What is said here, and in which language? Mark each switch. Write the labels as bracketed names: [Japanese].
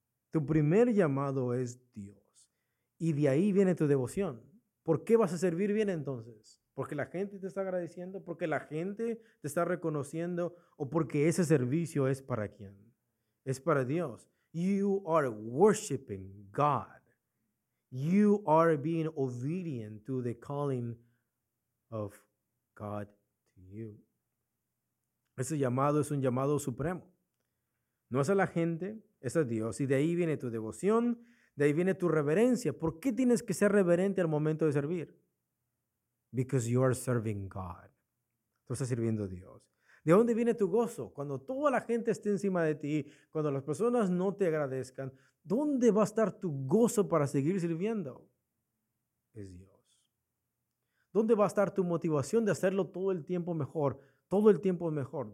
[Spanish] Tu primer llamado es Dios. Y de ahí viene tu devoción. ¿Por qué vas a servir bien entonces? ¿Porque la gente te está agradeciendo? ¿Porque la gente te está reconociendo? ¿O porque ese servicio es para quién? Es para Dios. [English] You are worshiping God. You are being obedient to the calling of God to you. [Spanish] Ese llamado es un llamado supremo. No es a la gente, es a Dios. Y de ahí viene tu devoción, de ahí viene tu reverencia. ¿Por qué tienes que ser reverente al momento de servir? [English] Because you are serving God. [Spanish] Tú estás sirviendo a Dios. ¿De dónde viene tu gozo? Cuando toda la gente esté encima de ti, cuando las personas no te agradezcan, ¿dónde va a estar tu gozo para seguir sirviendo? Es Dios. ¿Dónde va a estar tu motivación de hacerlo todo el tiempo mejor? Todo el tiempo mejor.